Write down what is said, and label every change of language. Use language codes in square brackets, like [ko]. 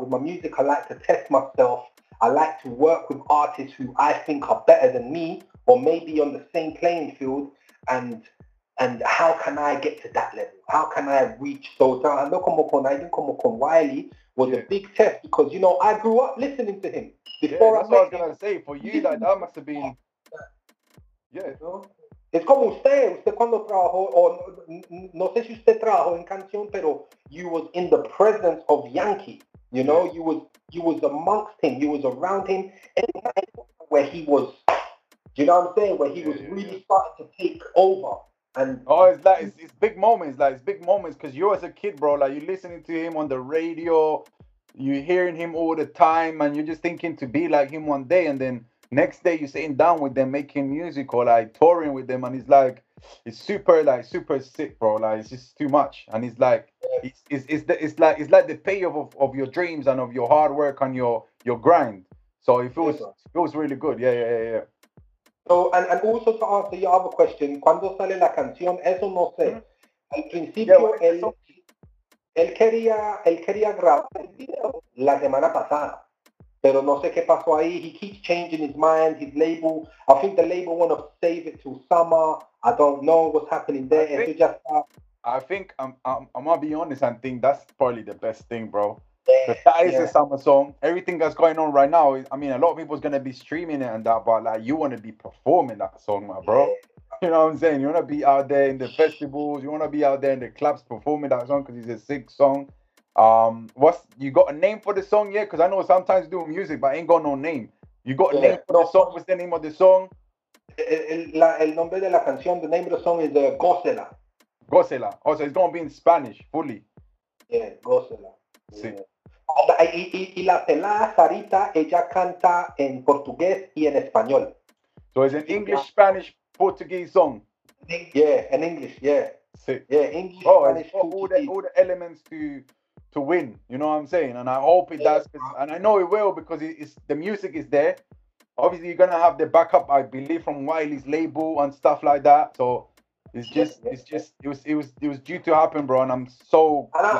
[en] With my music, I like to test myself. I like to work with artists who I think are better than me, or maybe on the same playing field, and how can I get to that level? How can I reach those? I know Komokon, I think Komokon Wiley was a big test because, you know, I grew up listening to him. Before that's what I was going to say. For you, that must have been... Yeah. [es] Es como usted cuando trabajó, o no sé si usted trabajó en Canción, pero you was in the presence of Yankee. [en] You know, yeah. you was amongst him, you was around him. Anytime where he was, you know what I'm saying? Where he was really starting to take over. And oh, it's big moments, because you as a kid, bro, like you're listening to him on the radio, you're hearing him all the time, and you're just thinking to be like him one day, and then next day you're sitting down with them making music or like touring with them, and it's like it's super sick, bro. Like it's just too much, and it's like it's like the payoff of your dreams and of your hard work and your grind. So it feels really good. Yeah. So and also to answer your other question, cuando sale la canción, eso no sé. [es] Al principio él quería grabar el video la semana pasada. Pero no sé qué pasó ahí. [en] He keeps changing his mind, his label. I think the label want to save it till summer. I don't know what's happening there. I think I'm going to be honest and think that's probably the best thing, bro. That is a summer song. Everything that's going on right now, I mean, a lot of people's going to be streaming it and that, but like you want to be performing that song, my bro. Yeah. You know what I'm saying? You want to be out there in the festivals. You want to be out there in the clubs performing that song because it's a sick song. What's you got a name for the song yet? Because I know sometimes you do music, but I ain't got no name. You got a name for the song? What's the name of the song? El nombre de la canción, the name of the song is Gózela. Gózela. Oh, so it's going to be in Spanish, fully. Yeah, Gózela. [es] Sí. Y la tela, Sarita, ella canta en portugués y en español. [en] So it's an English, Spanish, Portuguese song? Yeah, in English, yeah. [es] Sí. [en] Yeah, English, oh, Spanish, Portuguese. All the elements to win, you know what I'm saying, and I hope it does, and I know it will, because it's the music is there. Obviously you're gonna have the backup, I believe, from Wiley's label and stuff like that, so it was due to happen, bro, and I'm so